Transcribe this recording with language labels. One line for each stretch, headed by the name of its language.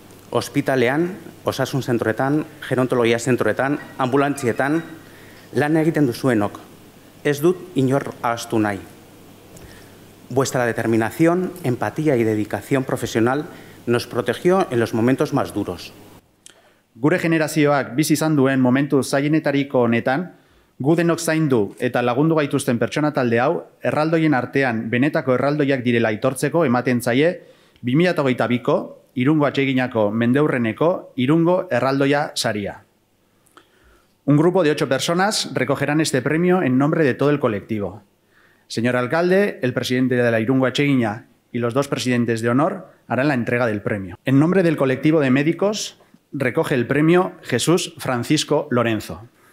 Basque: Ospitalean, osasun zentroetan, gerontologia zentroetan, ambulantzietan, lan egiten duzuenok. Ez dut inor ahaztu nahi.
Spanish: Vuestra determinación, empatía y dedicación profesional nos protegió en los momentos más duros.
Basque: Gure generazioak bizi izan duen momentu zailenetariko honetan, gu denok zaindu eta lagundu gaituzten pertsona talde hau, erraldoien artean benetako erraldoiak direla aitortzeko ematen zaie 2022ko Irungo Atseginako mendeurreneko Irungo Erraldoia saria.
Spanish: Un grupo de 8 personas recogerán este premio en nombre de todo el colectivo. Señor alcalde, el presidente de la Irungo Atseguina y los 2 presidentes de honor harán la entrega del premio. En nombre del colectivo de médicos, recoge el premio Jesús Francisco Lorenzo.